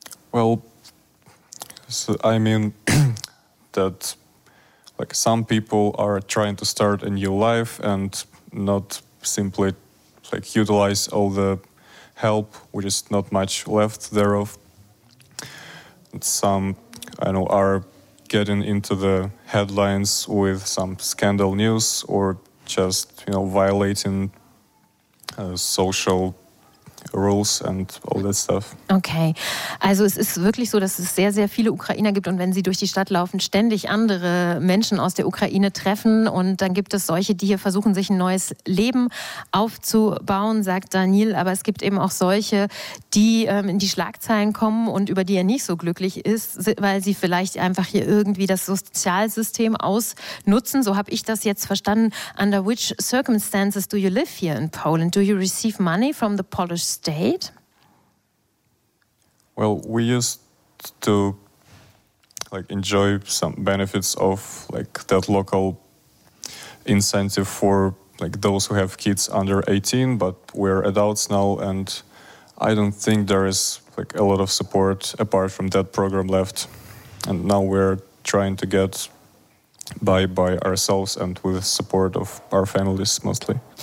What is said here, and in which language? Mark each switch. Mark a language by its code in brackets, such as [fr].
[en] Well, so I mean that like some people are trying to start a new life and not simply like utilize all the help, which is not much left thereof. And some, I know, are getting into the headlines with some scandal news or just, you know, violating social rules and all that stuff. [de] Okay, also es ist wirklich so, dass es sehr, sehr viele Ukrainer gibt, und wenn sie durch die Stadt laufen, ständig andere Menschen aus der Ukraine treffen, und dann gibt es solche, die hier versuchen, sich ein neues Leben aufzubauen, sagt Daniil, aber es gibt eben auch solche, die in die Schlagzeilen kommen und über die er nicht so glücklich ist, weil sie vielleicht einfach hier irgendwie das Sozialsystem ausnutzen. So habe ich das jetzt verstanden. [en] Under which circumstances do you live here in Poland? Do you receive money from the Polish state? Well, we used to like enjoy some benefits of like that local incentive for like those who have kids under 18, but we're adults now, and I don't think there is like a lot of support apart from that program left, and now we're trying to get by ourselves and with support of our families mostly.